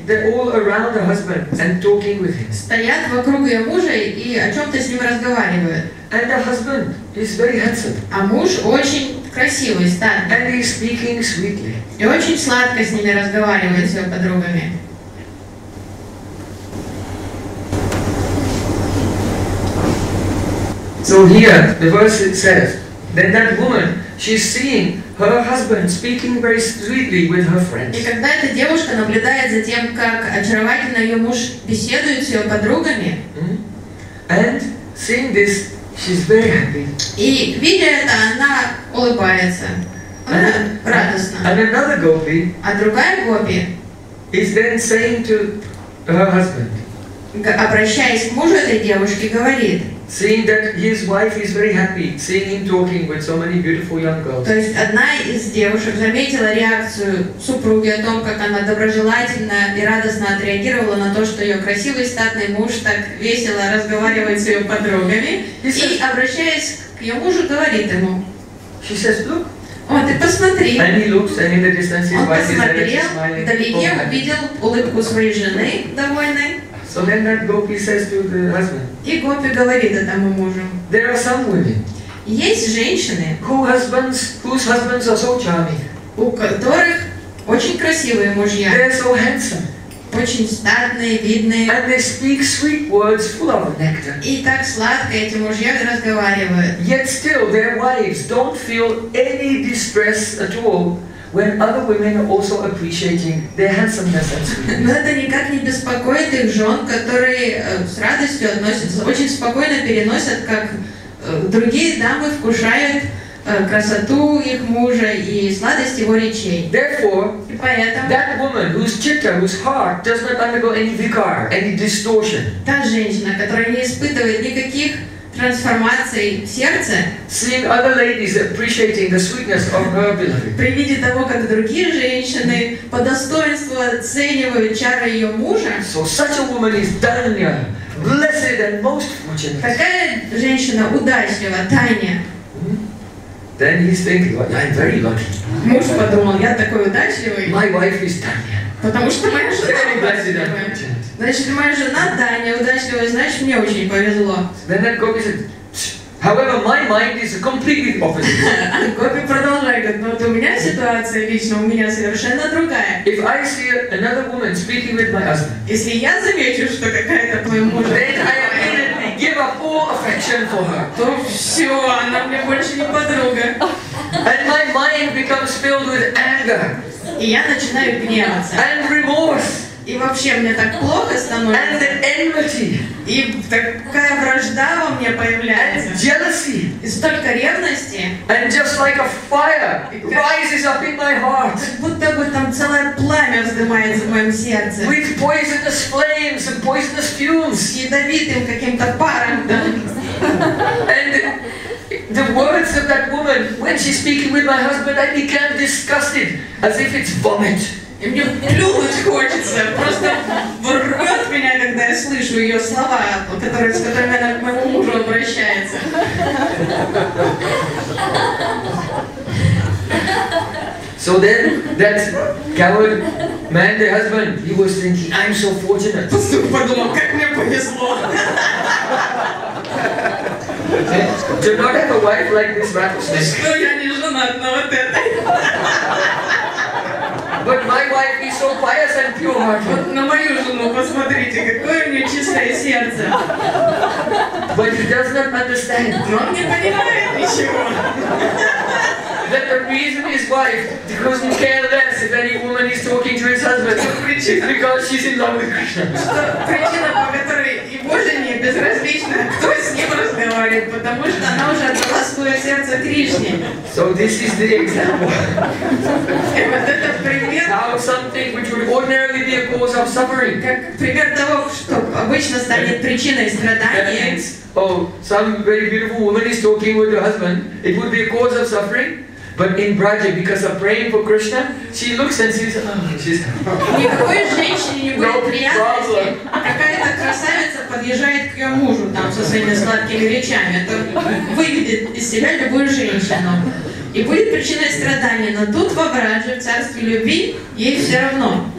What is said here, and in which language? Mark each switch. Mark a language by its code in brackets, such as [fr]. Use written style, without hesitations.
[en] They're all around the husband and talking with him. [ru] Стоят вокруг ее мужа и о чем-то с ним разговаривают. [en] And the husband is very handsome. [ru] А муж очень красивый, статный. [en] And he's speaking sweetly. [ru] И очень сладко с ними разговаривает с ее подругами. [en] So So here the verse it says, then that woman, she's seeing her husband speaking very sweetly with her friends. [ru] И когда эта девушка наблюдает за тем, как очаровательно ее муж беседует с ее подругами, [en] and seeing this, she's very happy. [ru] И видя это, она улыбается. [en] And another gopi, [ru] а другая гопи, [en] is then saying to her husband, [ru] обращаясь к мужу этой девушки, говорит, [en] seeing that his wife is very happy, seeing him talking with so many beautiful young girls. [ru] То есть одна из девушек заметила реакцию супруги о том, как она доброжелательно и радостно отреагировала на то, что ее красивый статный муж так весело разговаривает с ее подругами, и обращаясь к ее мужу, говорит ему, [en] she says, look. [ru] О, ты посмотри. [en] And he looks, and in the distance, his [ru] он [en] wife [ru] посмотрел, [en] is smiling, [ru] вдалеке [en] open. [ru] Увидел улыбку своей жены, довольной. [en] So then that gopi says to the husband, [ru] и гопи говорит этому мужу. [en] There are some women, [ru] есть женщины, [en] whose husbands are so charming, [ru] у которых очень красивые мужья. [en] They are so handsome, [ru] очень статные, видные. [en] And they speak sweet words full of nectar. [ru] И так сладко эти мужья разговаривают. [en] Yet still their wives don't feel any distress at all when other women are also appreciating their handsomeness and sweetness. [ru] Но это никак не беспокоит их жен, которые с радостью относятся, очень спокойно переносят, как другие дамы вкушают красоту их мужа и сладость его речей. [en] Therefore, [ru] и поэтому, [en] that woman whose chitta, whose heart does not undergo any vikar, any distortion, [ru] та женщина, которая не испытывает никаких трансформаций в сердце, [en] seeing other ladies appreciating the sweetness of her beloved, [ru] при виде того, как другие женщины по достоинству оценивают чары ее мужа, [en] so such a woman is danya, blessed and most fortunate. [ru] Такая женщина удачлива, Таня. [en] Then he's thinking, well, I'm very lucky. [ru] Муж подумал, я такой удачливый. [en] My wife is Tanya. [ru] Потому что моя жена удачливая. Значит, моя жена Таня удачливая, значит, мне очень повезло. [en] Then that gopi said, however, my mind is completely opposite. [ru] Gopi продолжает, говорит, у меня ситуация лично, у меня совершенно другая. [en] If I see another woman speaking with my husband, [ru] если я замечу, что какая-то твой муж, [en] give up all affection for her. [ru] То все, она мне больше не подруга. [en] And my mind becomes filled with anger. [ru] И я начинаю гневаться. [en] And remorse. [ru] И вообще мне так плохо становится. [en] And enmity. [ru] И такая вражда во мне появляется. [en] And jealousy. [ru] И столько ревности. [en] And just like a fire rises up in my heart. [ru] Как будто бы там целое пламя вздымается в моем сердце. [en] With poisonous flames and poisonous fumes. [ru] С ядовитым каким-то паром. [en] And the words of that woman, when she's speaking with my husband, I become disgusted, as if it's vomit. [ru] И мне плюнуть хочется, просто рвет меня, когда я слышу ее слова, с которыми она к моему мужу обращается. [en] So then, that coward man, the husband, he was thinking, I'm so fortunate. [ru] Пастух подумал, как мне повезло. [en] To not have a wife like this rattlesnake. [ru] Что я не женат на вот этой? [en] But my wife is so pious and pure hearted. [ru] Вот на мою жену посмотрите, какое у нее чистое сердце. [en] But he does not understand. [ru] Но он не понимает ничего. [en] That the reason his wife doesn't care less if any woman is talking to his husband is because she's in love with Krishna. [ru] Причина, по которой его жене безразлично, кто с ним разговаривает, потому что она уже отдала свое сердце Кришне. [en] So this is the example. [ru] Вот это пример. [en] How something which would ordinarily be a cause of suffering. [ru] Как пример того, что обычно станет причиной страдания. [en] Oh, some very beautiful woman is talking with her husband. It would be a cause of suffering. But in Braja, because of praying for Krishna, she looks and sees, oh, she's [ru] никакой женщине не будет приятности, какая-то красавица подъезжает к ее мужу там со своими сладкими речами. Это выведет из себя любую женщину. И будет причиной страдания. Но тут во Браджи, в царстве любви, ей все равно.